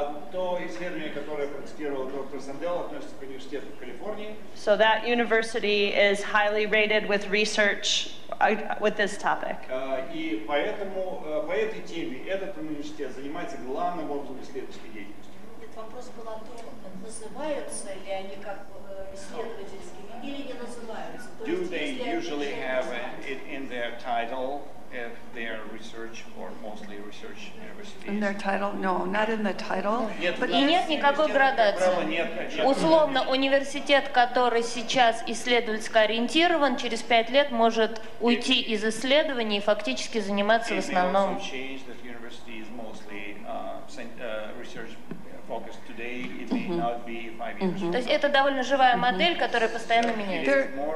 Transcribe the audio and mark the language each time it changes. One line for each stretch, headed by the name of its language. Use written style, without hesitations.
Russian: То исследование, которое процитировал доктор Сандел, относится к университету в Калифорнии.
English: So that university is highly rated with research with this topic.
Russian: И поэтому по этой теме этот университет занимается главным образом исследовательской деятельностью. Нет, вопрос был о том, называются ли они как исследовательские или не называются.
English: Do they usually have it in their title if they are research or mostly research university? In their title? No, not in the title. But
Russian: и нет никакой градации. Условно, университет, который сейчас исследовательски ориентирован, через 5 лет может уйти из исследований и фактически заниматься в основном. То есть это довольно живая модель, которая постоянно меняется.